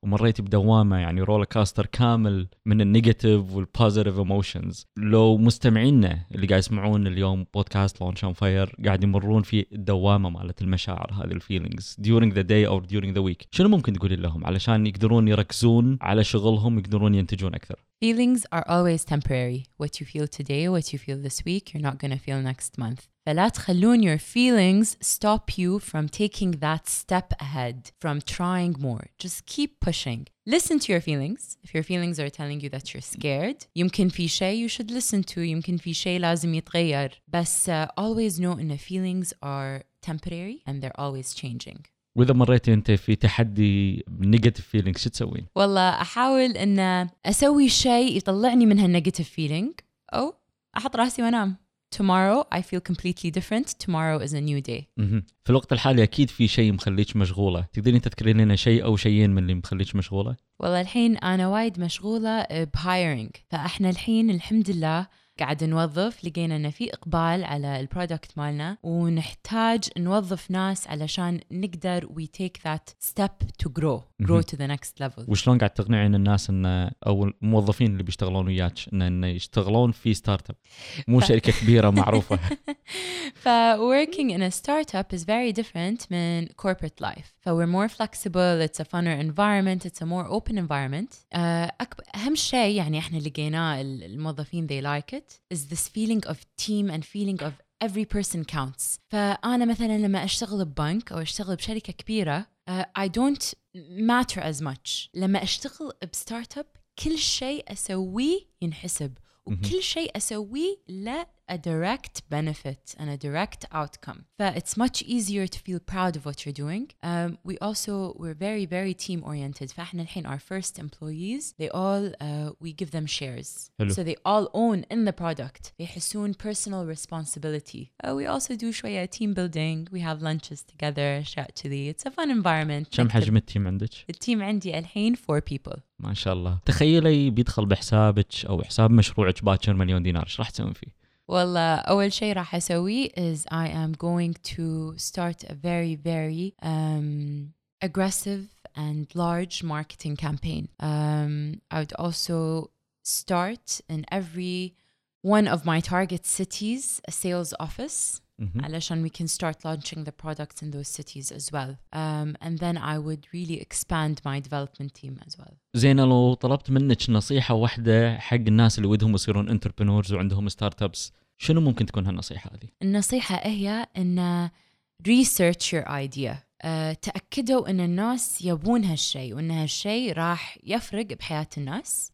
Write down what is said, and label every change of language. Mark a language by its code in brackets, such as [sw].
[ar] مريت بدوامة يعني رولر كاستر كامل من النيجاتيف والبوزيتيف ايموشنز. لو مستمعينا اللي قاعد يسمعون اليوم بودكاست لونش اون فاير قاعد يمرون في الدوامة مالت المشاعر هذه الفيلينجز [en] during the day or during the week, [ar] شنو ممكن تقولي لهم علشان يقدرون يركزون على شغلهم يقدرون ينتجون اكثر؟ [en] Feelings are always temporary. What you feel today, what you feel this week, you're not going to feel next month. [ar] فلا تخلون [en] your feelings stop you from taking that step ahead, from trying more. Just keep pushing. Listen to your feelings. If your feelings are telling you that you're scared, [ar] يمكن في شيء [en] you should listen to, [ar] يمكن في شيء لازم يتغير. [en] بس always know إن feelings are temporary and they're always changing. [ar] وإذا مريتي أنت في تحدي negative feelings شو تسوين؟ والله أحاول إن أسوي شيء يطلعني من هالnegative feeling, أو أحط راسي وأنام. [en] Tomorrow I feel completely different. Tomorrow is a new day. [ar] في الوقت الحالي أكيد في شيء مخليك مشغولة. تقدرين تذكرين لنا شيء أو شيئين من اللي مخليك مشغولة؟ والله الحين أنا وايد مشغولة بhiring. فإحنا الحين الحمد لله قاعد نوظف, لقينا أن في إقبال على البرودكت مالنا ونحتاج نوظف ناس علشان نقدر [en] we take that step to grow to the next level. [ar] وشلون قاعد تقنعين الناس أن أو الموظفين اللي بيشتغلون وياك أن يشتغلون في startup مو شركة كبيرة معروفة؟ [en] فworking in a startup is very different من corporate life. فwe're more flexible, it's a funner environment, it's a more open environment. [ar] أهم شيء يعني إحنا لقينا الموظفين [en] they like it, is this feeling of team and feeling of every person counts. [ar] فأنا مثلا لما أشتغل ببنك أو أشتغل بشركة كبيرة [en] I don't matter as much. [ar] لما أشتغل بستارت اب كل شيء أسويه ينحسب وكل شيء أسويه لا [en] a direct benefit and a direct outcome. But it's much easier to feel proud of what you're doing. We're very, very team oriented. Our first employees, they all, we give them shares. Hello. So they all own in the product. They حسون personal responsibility. We also do شوية team building. We have lunches together. It's a fun environment. [ar] كم حجم التيم عندك؟ التيم عندي الحين 4 people. ما شاء الله. تخيلي بيدخل بحسابك أو حساب مشروعك باكر مليون دينار. إيش راح تسوين فيه؟ والله أول شيء راح أسوي [en] is I am going to start a very very aggressive and large marketing campaign. I would also start in every one of my target cities a sales office. Mm-hmm. علشان we can start launching the products in those cities as well. And then I would really expand my development team as well. [ar] زين لو طلبت منك نصيحة واحدة حق الناس اللي ودهم يصيرون entrepreneurs وعندهم startups شنو ممكن تكون هالنصيحة هذه؟ النصيحة هي إن [en] research your idea. [ar] تأكدوا إن الناس يبون هالشيء وإن هالشيء راح يفرق بحياة الناس.